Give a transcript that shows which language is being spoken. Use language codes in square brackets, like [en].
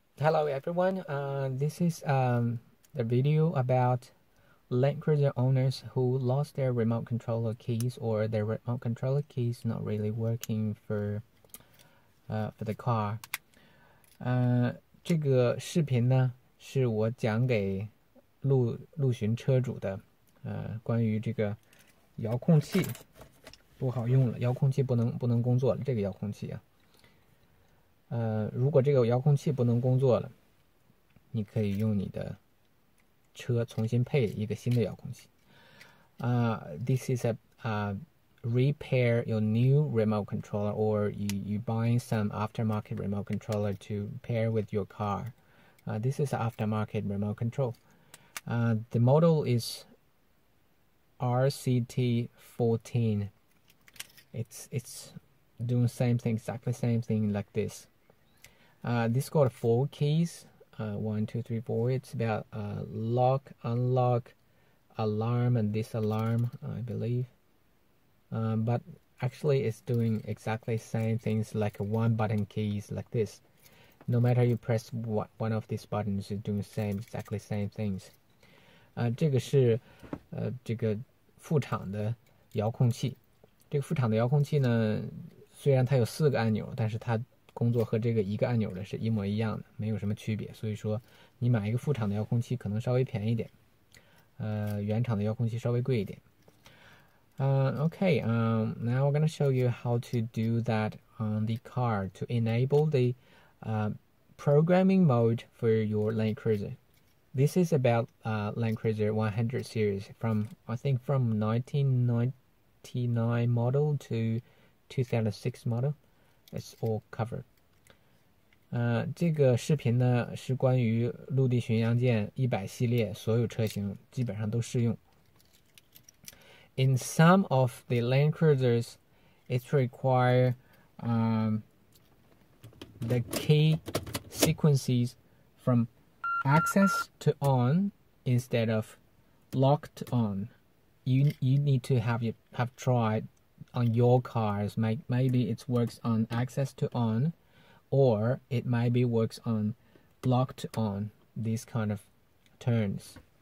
[en] Hello everyone, this is the video about Land Cruiser owners who lost their remote controller keys or their remote controller keys not really working for the car. [zh] 这个视频呢是我讲给陆巡车主的，关于这个遥控器不好用了，遥控器不能工作了，这个遥控器啊。如果这个遥控器不能工作了，你可以用你的车重新配一个新的遥控器。 [en] This is a repair your new remote controller, or you buying some aftermarket remote controller to pair with your car. This is an aftermarket remote control. The model is RCT14. It's doing same thing, exactly same thing like this. This got four keys, 1, 2, 3, 4. It's about lock, unlock, alarm, and disalarm, I believe. But actually, it's doing exactly same things like one button keys like this. No matter you press one of these buttons, it's doing exactly same things. [zh] 这个是这个副厂的遥控器。这个副厂的遥控器呢，虽然它有四个按钮，但是它工作和这个一个按钮的是一模一样的，没有什么区别。所以说你买一个副厂的遥控器可能稍微便宜一点，原厂的遥控器稍微贵一点。 [en] Now we're going to show you how to do that on the car to enable the programming mode for your Land Cruiser. This is about Land Cruiser 100 series from 1999 model to 2006 model. It's all covered. [zh] 这个视频呢是关于陆地巡洋舰100系列所有车型基本上都适用。 [en] In some of the Land Cruisers, it require the key sequences from access to on instead of locked on. You need to have tried. On your cars, maybe it works on access to on, or it maybe works on locked on, these kind of turns.